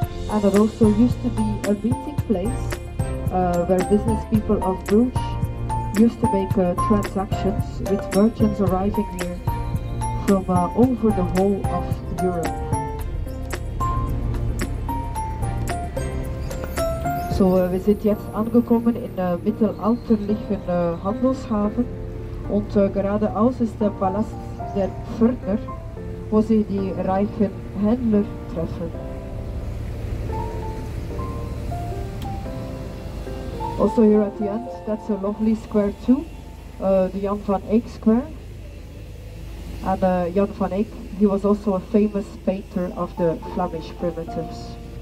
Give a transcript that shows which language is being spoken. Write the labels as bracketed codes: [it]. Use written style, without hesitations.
[en] And it also used to be a meeting place where business people of Bruges used to make transactions with merchants arriving here from over the whole of Europe. [de] So we sind jetzt angekommen in der mittelalterlichen Handelshafen. Und geradeaus ist der Palast der Pförtner, wo sie die reichen Händler treffen. [en] Also here at the end, that's a lovely square too, the Jan van Eyck Square. And Jan van Eyck, he was also a famous painter of the Flemish primitives.